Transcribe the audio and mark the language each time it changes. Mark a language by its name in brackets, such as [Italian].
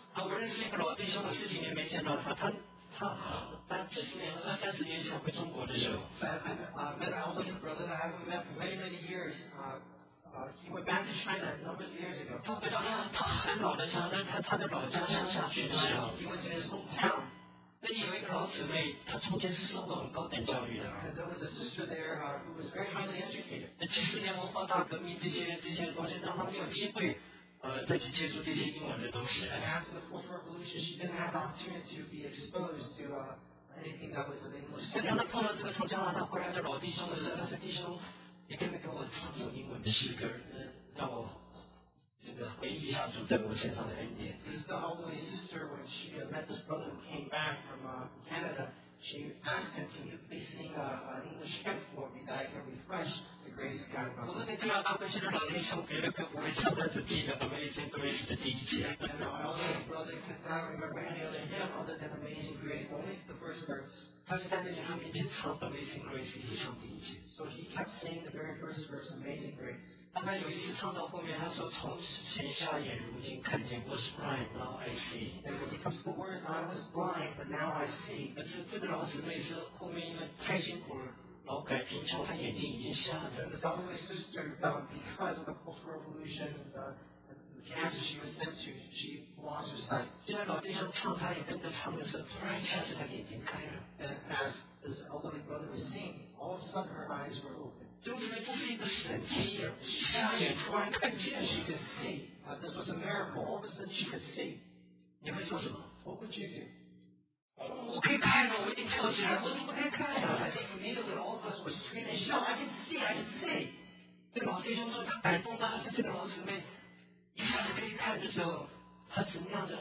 [Chinese] 我认识一个老弟兄十几年没见到他 他几十年二三十年前回中国的时候 [English] I met an older brother that I haven't met for many many years he went back to China numbers of years ago [Chinese] 他回到他很老的家在 他的老家乡下去的时候 [English] he went to his hometown [Chinese] 那你有一个老姊妹，她从前是受过很高等教育的。 [English] There was a sister there who was very highly educated. [Chinese] 那七十年文化大革命这些东西，让她没有机会，再去接触这些英文的东西。 [English] And after the Cultural Revolution, she didn't have the opportunity to be exposed to anything that was of English. [Chinese] 当她碰到这个从加拿大回来的老弟兄的时候，他说：“弟兄，你可不可以给我唱首英文的诗歌，让我。” [English] This is the elderly sister when she met this brother who came back from Canada. She asked him, can you please sing an English hymn for me that I can refresh the grace of God? And our elderly brother could not remember any other hymn other than Amazing Grace, only the first verse. So he kept singing the very first verse, Amazing Grace. [Chinese] 当他有一次唱到后面，他说：“从前瞎眼，如今看见 ； [English] was blind, now I see。” And when he comes to the word, I was blind, but now I see. [Chinese] 那这个老姊妹是后面因为太辛苦了，劳改贫穷，她眼睛已经瞎了。 [English] The elderly sister, because of the Cultural Revolution, the cancer she was sent to, she lost her sight. [Chinese] 就在老弟兄唱，他也跟着唱的时候，突然一下子她眼睛开了。 [English] And as this elderly brother was singing, all of a sudden her eyes were open. [Chinese] 就是这是一个神迹，瞎眼突然看见。 [English] She could see. This was a miracle. All of a sudden, she could see. [Chinese] 你会做什么 [English] ？What would you do?、 [Chinese] 我可以看了，我一定跳起来。我怎么可以看了 [English] ？I think immediately all of us were screaming, "Shout! I can see! I can see!" [Chinese] 这个老弟兄说他感动到，这个老姊妹一下子可以看的时候，他怎么样子？